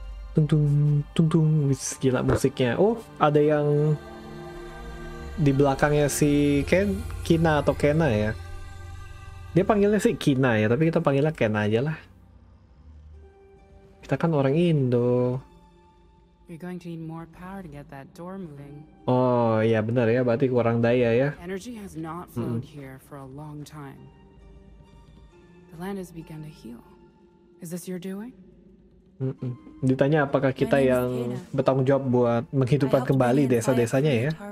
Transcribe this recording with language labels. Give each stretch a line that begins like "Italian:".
Indonesian: Tung tung tung, gila musiknya. Oh, ada yang di belakangnya si Ken, Kina atau Kena ya. Dia panggilnya sih Kina ya, tapi kita panggilnya Kena aja lah. Kita kan orang Indo.
English: You're going to need more power to get that door moving.
Indonesian: Oh iya benar ya, berarti kurang daya ya.
English: Energy has not flowed here for a long time. The land has begun to heal. Is this your doing?
Indonesian: Ditanya apakah kita yang bertanggung jawab buat menghidupkan kembali desa-desanya ya.